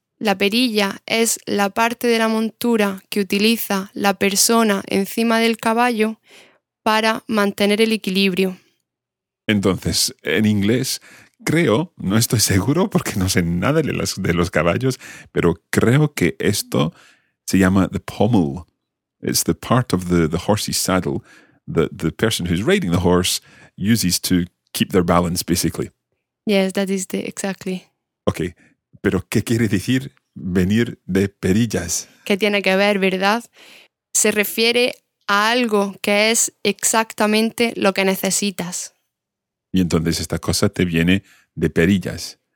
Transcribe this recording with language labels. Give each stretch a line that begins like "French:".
Spanish: La perilla es la parte de la montura que utiliza la persona encima del caballo para mantener el equilibrio. Entonces, en inglés, creo, no estoy seguro porque no sé nada de los caballos, pero creo que esto se llama the pommel.
English: It's the part of the horse's saddle that the person who's riding the horse uses to keep their balance, basically. Yes, that is the exactly.
Spanish: Okay, pero ¿qué quiere decir venir de perillas? ¿Qué tiene que ver, verdad? Se refiere a algo que es exactamente lo que necesitas. Y entonces esta cosa te viene de perillas.